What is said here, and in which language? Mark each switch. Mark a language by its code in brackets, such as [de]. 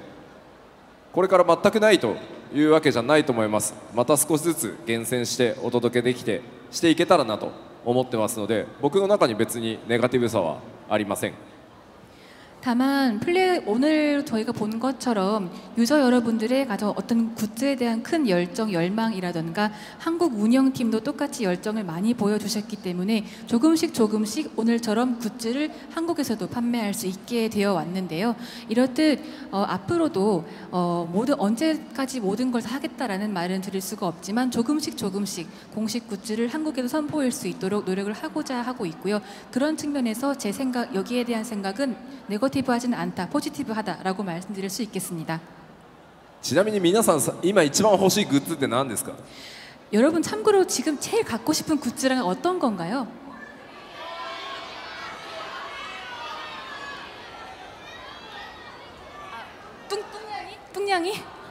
[ja] ただ今回皆さんのすごく強い熱望とそれから韓国チームの頑張りがあって少しずつオフィシャルグッズの販売もできるようになってきましたのでこれから全くないと いうわけじゃないと思います。また少しずつ厳選してお届けできてしていけたらなと思ってますので、僕の中に別にネガティブさはありません。 [ko] 다만 플레 오늘 저희가 본 것처럼 유저 여러분들의 가장 어떤 굿즈에 대한 큰 열정, 열망이라든가 한국 운영팀도 똑같이 열정을 많이 보여주셨기 때문에 조금씩 조금씩 오늘처럼 굿즈를 한국에서도 판매할 수 있게 되어 왔는데요. 이렇듯 앞으로도 모든 언제까지 모든 걸 다 하겠다라는 말은 드릴 수가 없지만 조금씩 조금씩 공식 굿즈를 한국에도 선보일 수 있도록 노력을 하고자 하고 있고요. 그런 측면에서 제 생각 여기에 대한 생각은 네거티브하진 않다, 포지티브하다라고 말씀드릴 수 있겠습니다. [ja] 지나미니,皆さん今一番欲しいグッズって何ですか? [ko] 여러분 참고로 지금 제일 갖고 싶은 굿즈랑 어떤 건가요? 뚱냥이?